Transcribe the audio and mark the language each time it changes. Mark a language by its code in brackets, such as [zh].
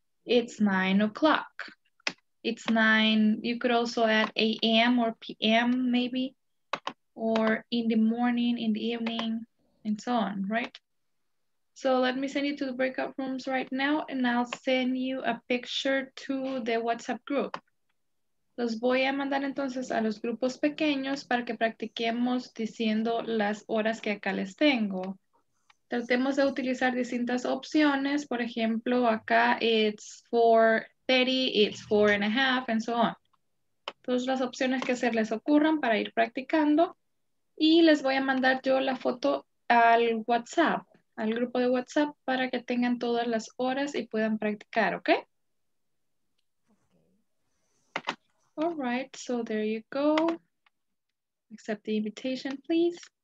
[en] It's 9 o'clock. It's 9. You could also add a.m. or p.m. maybe, or in the morning, in the evening, and so on, right? So let me send you to the breakout rooms right now, and I'll send you a picture to the WhatsApp group. [es] Los voy a mandar entonces a los grupos pequeños para que practiquemos diciendo las horas que acá les tengo. Tratemos de utilizar distintas opciones. Por ejemplo, acá [en] it's 4:30, it's 4:30, and so on. [es] Todas las opciones que se les ocurran para ir practicando. Y les voy a mandar yo la foto al WhatsApp, al grupo de WhatsApp, para que tengan todas las horas y puedan practicar, ¿ok? [en] All right, so there you go. Accept the invitation, please.